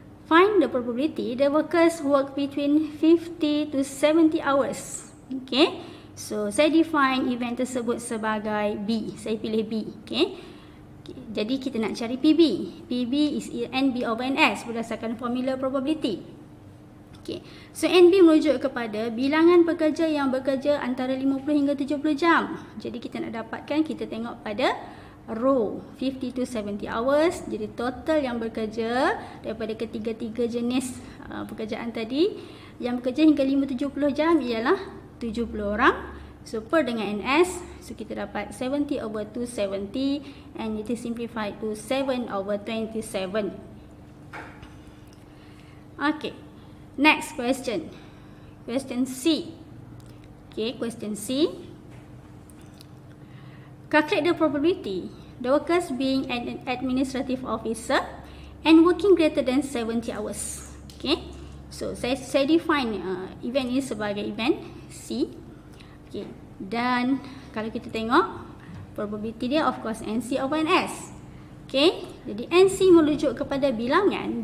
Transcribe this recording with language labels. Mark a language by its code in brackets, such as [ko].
[en] Find the probability the workers work between 50 to 70 hours. Okay. [ms] So, saya define event tersebut sebagai B. Saya pilih B. Okay. Okay. Jadi, kita nak cari PB. [en] PB is NB over NS berdasarkan formula probability. Okay. [ms] So, NB merujuk kepada bilangan pekerja yang bekerja antara 50 hingga 70 jam. Jadi, kita nak dapatkan, kita tengok pada row [en] 50 to 70 hours. [ms] Jadi total yang bekerja daripada ketiga-tiga jenis pekerjaan tadi yang bekerja hingga 570 jam ialah 70 orang. So per dengan NS, So kita dapat [en] 70 over 270 and it is simplified to 7 over 27. Okay, next question. Question C. Okay, question C. Calculate the probability. The workers being an administrative officer and working greater than 70 hours. Okay. [ms] So, saya define event ini sebagai event C. Okay. Dan kalau kita tengok, probability dia of course NC over NS. Okay. Jadi, NC merujuk kepada bilangan.